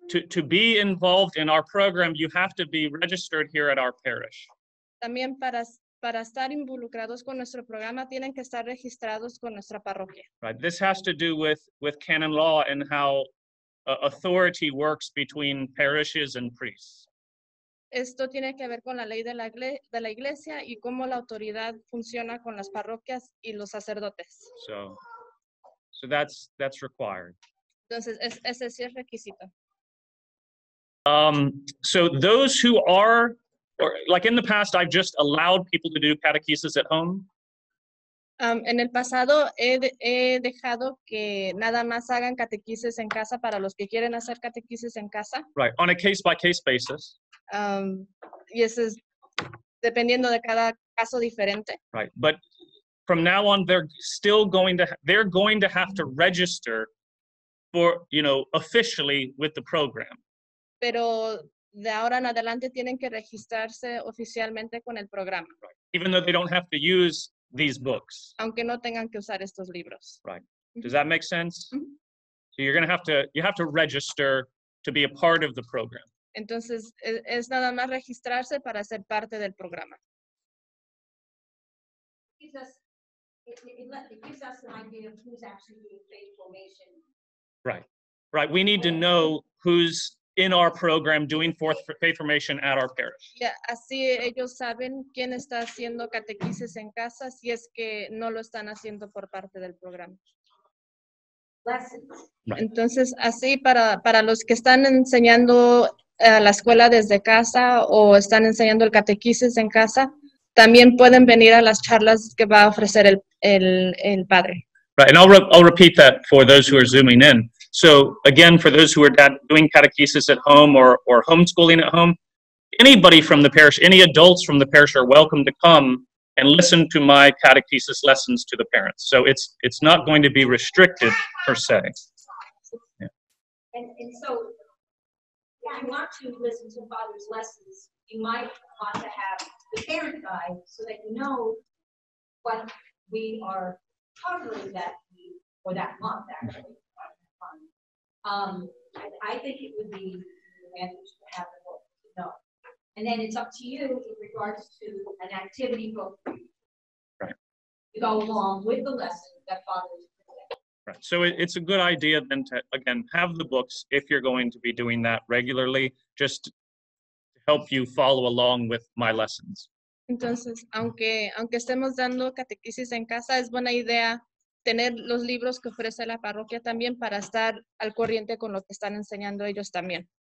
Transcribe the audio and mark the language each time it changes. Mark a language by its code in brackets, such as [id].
[en] To be involved in our program, you have to be registered here at our parish. [es] También para estar involucrados con nuestro programa, tienen que estar registrados con nuestra parroquia. [en] Right. This has to do with canon law and how authority works between parishes and priests. [es] Esto tiene que ver con la ley de la iglesia y cómo la autoridad funciona con las parroquias y los sacerdotes. [en] So that's required. [es] Entonces, ese sí es requisito. [en] So those who are, or like in the past, I've just allowed people to do catechesis at home. [es] En el pasado he dejado que nada más hagan catequesis en casa para los que quieren hacer catequesis en casa. [en] Right, on a case-by-case basis. [es] Y eso es dependiendo de cada caso diferente. [en] Right, but from now on, they're going to have to register for, you know, officially with the program. [es] Pero de ahora en adelante tienen que registrarse oficialmente con el programa. [en] Right. Even though they don't have to use these books. [es] Aunque no tengan que usar estos libros. [en] Right. Does that make sense? Mm-hmm. So you're going to have to register to be a part of the program. [es] Entonces, es nada más registrarse para ser parte del programa. [en] It gives us an idea of who's actually doing faith formation. Right. Right. We need to know who's in our program doing fourth faith formation at our parish. [es] Yeah, así ellos saben quién está haciendo catequesis en casa si es que no lo están haciendo por parte del programa. [en] Right. [es] Entonces, así para los que están enseñando a la escuela desde casa o están enseñando el catequesis en casa, también pueden venir a las charlas que va a ofrecer el padre. [en] Right, and I'll repeat that for those who are zooming in. So again, for those who are doing catechesis at home or homeschooling at home, anybody from the parish, any adults from the parish are welcome to come and listen to my catechesis lessons to the parents. So it's not going to be restricted per se. Yeah. And so you want to listen to Father's lessons, you might want to have the parent guide so that you know what we are covering that week or that month, actually. I think it would be advantage to have the book, you know. And then it's up to you in regards to an activity book. Right. To go along with the lesson that Father is presenting. Right. So it's a good idea then to, again, have the books if you're going to be doing that regularly. Just help you follow along with my lessons. [es] Entonces, aunque estemos dando catequesis en casa, es buena idea tener los libros que ofrece la parroquia también para estar al corriente con lo que están enseñando ellos también.